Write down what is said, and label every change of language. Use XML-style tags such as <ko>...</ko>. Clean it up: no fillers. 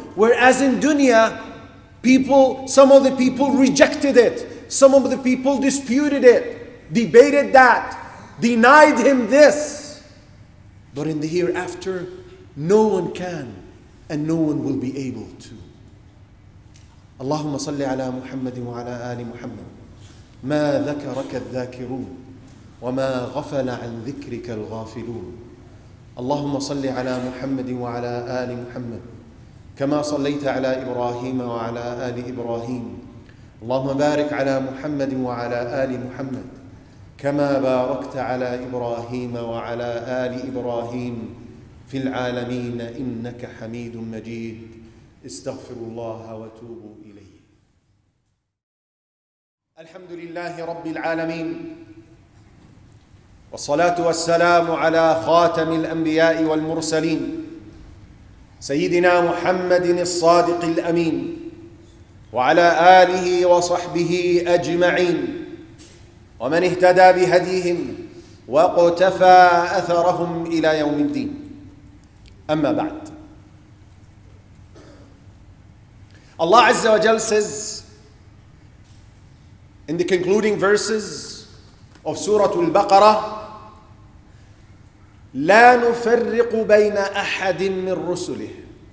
<en>Whereas in dunya, some of the people rejected it. Some of the people disputed it, debated that, denied him this. But in the hereafter, no one can and no one will be able to.</en> <ar>اللهم صل على محمد وعلى آل محمد ما ذكرك الذاكرون وما غفل عن ذكرك الغافلون اللهم صل على محمد وعلى آل محمد كما صليت على إبراهيم وعلى آل إبراهيم اللهم بارك على محمد وعلى آل محمد كما باركت على إبراهيم وعلى آل إبراهيم في العالمين إنك حميد مجيد استغفر الله وتوب إليه الحمد لله رب العالمين والصلاة والسلام على خاتم الأنبياء والمرسلين سيدنا محمد الصادق الأمين وعلى آله وصحبه أجمعين ومن اهتدى بهديهم واقتفى أثرهم إلى يوم الدين أما بعد</ar> <en>Allah Azza wa Jal says in the concluding verses of Surah Al-Baqarah,</en> <ar>لَا نُفَرِّقُ بَيْنَ أَحَدٍ مِّن رُسُلِهِ.</ar>